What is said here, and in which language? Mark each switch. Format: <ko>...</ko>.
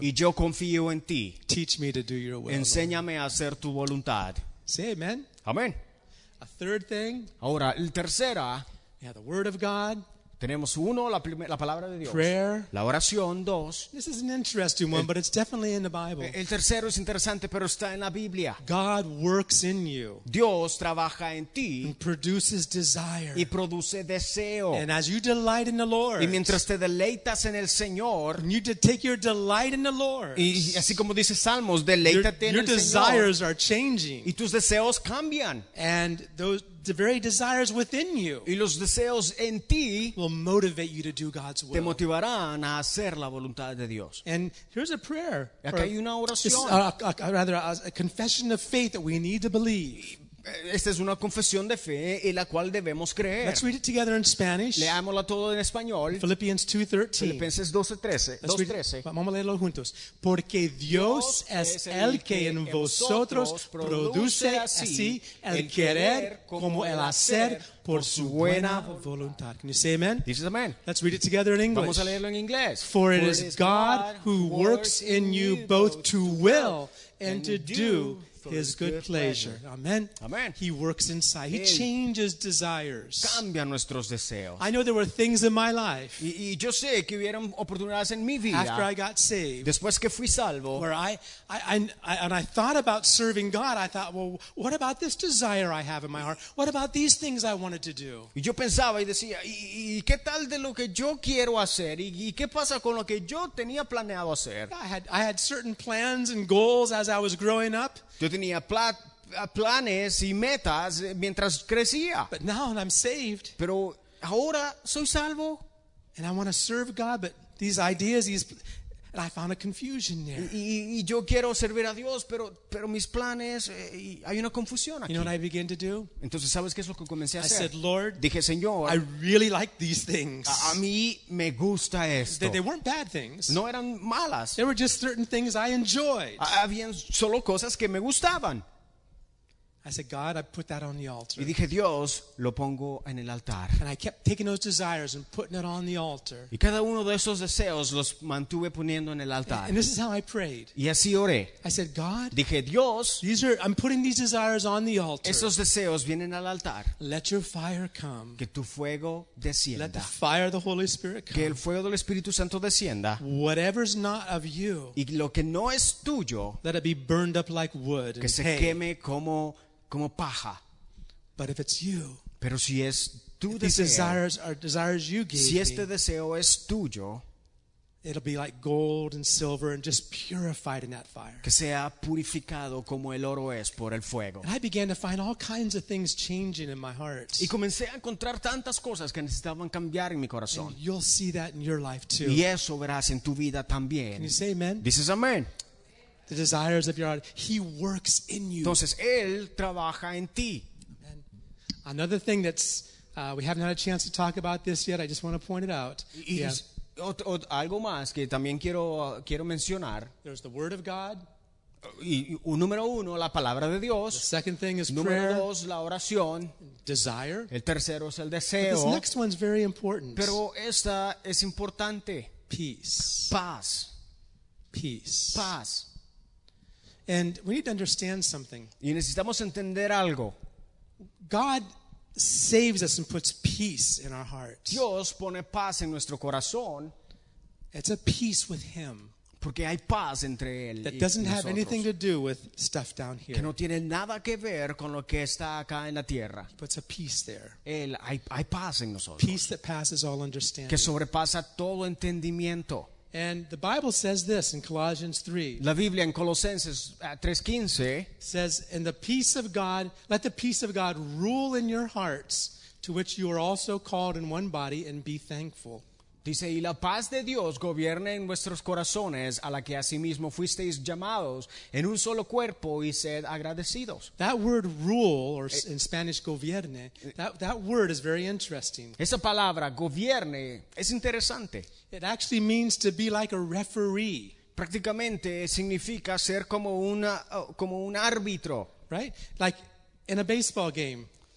<es>Y yo confío en ti.</es> <en>Teach me to do your will.</en> <es>Enséñame a hacer tu voluntad.</es> <en>Say amen.</en> <es>Amen.</es> <en>A third thing.</en> <es>Ahora, el tercera.</es> <en>Yeah, the word of God.</en> <es>Tenemos uno, la palabra de Dios.</es> <en>Prayer.</en> <es>La oración, dos.</es> <en>This is an interesting one, but it's definitely in the Bible.</en> <es>El tercero es interesante, pero está en la Biblia.</es> <en>God works in you.</en> <es>Dios trabaja en ti.</es> <en>And produces desire.</en> <es>Y produce deseo.</es> <en>And as you delight in the Lord.</en> <es>Y mientras te deleitas en el Señor.</es> <en>And you take your delight in the Lord.</en> <es>Y así como dice Salmos, deleítate en el Señor.</es> <en>Your desires are changing.</en> <es>Y tus deseos cambian.</es> <en>And those the very desires within you</en> <es>y los deseos en ti</es> <en>will motivate you to do God's will.</en> <es>Te motivarán a hacer la voluntad de Dios.</es> <en>And here's a prayer.</en> <es>Acá hay una oración.</es> <en>A confession of faith that we need to believe.</en> <es>Esta es una confesión de fe en la cual debemos creer.</es> <en>Let's read it together in Spanish.</en> <es>Leámosla todo en español.</es> <en>Philippians 2:13.</en> <es>Filipenses 2:13. Vamos a leerlo juntos. Porque Dios es el que en vosotros produce así el querer como el hacer por su buena voluntad.</es> <en>Can you say amen? This is amen. Let's read it together in English.</en> <es>Vamos a leerlo en inglés.</es> <en>For it is God who works in you both to will and to do His good pleasure. Amen.</en> <es>Amen.</es> <en>He works inside. He changes desires.</en> <es>Cambia nuestros deseos.</es> <en>I know there were things in my life.</en> <es>Y yo sé que hubieron oportunidades en mi vida.</es> <en>After I got saved.</en> <es>Después que fui salvo.</es> <en>Where I thought about serving God. I thought, well, what about this desire I have in my heart? What about these things I wanted to do?</en> <es>Y yo pensaba y decía, ¿y qué tal de lo que yo quiero hacer? ¿Y qué pasa con lo que yo tenía planeado hacer?</es> <en>I had certain plans and goals as I was growing up.</en> <es>Yo tenía planes y metas mientras crecía.</es> <en>But now I'm saved.</en> <es>Pero ahora soy salvo.</es> <en>And I want to serve God, but these ideas, and I found a confusion there.</en> <es>Y yo quiero servir a Dios, pero mis planes, hay una confusión aquí.</es> <en>You know what I began to do?</en> <es>Entonces, ¿sabes qué es lo que comencé a hacer?</es> <en>I said, Lord,</en> <es>dije, Señor,</es> <en>I really like these things.</en> <es>A mí me gusta esto.</es> <en>They weren't bad things.</en> <es>No eran malas.</es> <en>They were just certain things I enjoyed.</en> <es>Habían solo cosas que me gustaban.</es> <en>I said, God, I put that on the altar.</en> <es>Y dije, Dios, lo pongo en el altar.</es> <en>And I kept taking those desires and putting it on the altar.</en> <es>Y cada uno de esos deseos los mantuve poniendo en el altar.</es> <en>And this is how I prayed.</en> <es>Y así oré.</es> <en>I said, God,</en> <es>dije, Dios,</es> <en>I'm putting these desires on the altar.</en> <es>Esos deseos vienen al altar.</es> <en>Let your fire come.</en> <es>Que tu fuego descienda.</es> <en>Let the fire of the Holy Spirit come.</en> <es>Que el fuego del Espíritu Santo descienda.</es> <en>Whatever's not of you.</en> <es>Y lo que no es tuyo.</es> <en>Let it be burned up like wood.</en> <es>Que se queme como paja.</es> <en>But if it's you,</en> <es>pero si es tu deseo,</es> <en>these desires are desires you gave</en> <es>si este deseo es tuyo,</es> <en>it'll be like gold and silver and just purified in that fire.</en> <es>Que sea purificado como el oro es por el fuego.</es> <en>And I began to find all kinds of things changing in my heart.</en> <es>Y comencé a encontrar tantas cosas que necesitaban cambiar en mi corazón.</es> <en>And you'll see that in your life too.</en> <es>Y eso verás en tu vida también.</es> <en>Can you say amen?</en> <es>Dices amén.</es> <en>The desires of your heart. He works in you.</en> <es>Entonces, Él trabaja en ti.</es> <en>And another thing that's, we haven't had a chance to talk about this yet, I just want to point it out.</en> <es>Algo más que también quiero mencionar.</es> <en>There's the Word of God.</en> <es>Número uno, la palabra de Dios.</es> <en>The second thing is</en> <es>número</es> <en>prayer.</en> <es>Número dos, la oración.</es> <en>Desire.</en> <es>El tercero es el deseo.</es> <en>But this next one's very important.</en> <es>Pero esta es importante.</es> <en>Peace.</en> <es>Paz.</es> <en>Peace.</en> <es>Paz.</es> <en>And we need to understand something.</en> <es>Y necesitamos entender algo.</es> <en>God saves us and puts peace in our hearts.</en> <es>Dios pone paz en nuestro corazón.</es> <en>It's a peace with Him.</en> <es>Porque hay paz entre Él</es> <en>that</en> <es>y</es> <en>doesn't</en> <es>nosotros.</es> <en>Have anything to do with stuff down here.</en> <es>Que no tiene nada que ver con lo que está acá en la tierra.</es> <en>He puts a peace there.</en> <es>Él, hay paz en nosotros.</es> <en>Peace that passes all understanding.</en> <es>Que sobrepasa todo entendimiento.</es> <en>And the Bible says this in Colossians 3.</en> <es>La Biblia en Colosenses 3:15</es> <en>says, "And the peace of God, let the peace of God rule in your hearts, to which you are also called in one body, and be thankful."</en> <es>Dice, "Y la paz de Dios gobierne en vuestros corazones, a la que asimismo fuisteis llamados en un solo cuerpo, y sed agradecidos."</es> <en>That word rule, or in Spanish gobierne, that word is very interesting.</en> <es>Esa palabra gobierne es interesante.</es> <en>It actually means to be like a referee.</en> <es>Prácticamente significa ser como un árbitro.</es> <en>Right? Like in a baseball game.</en>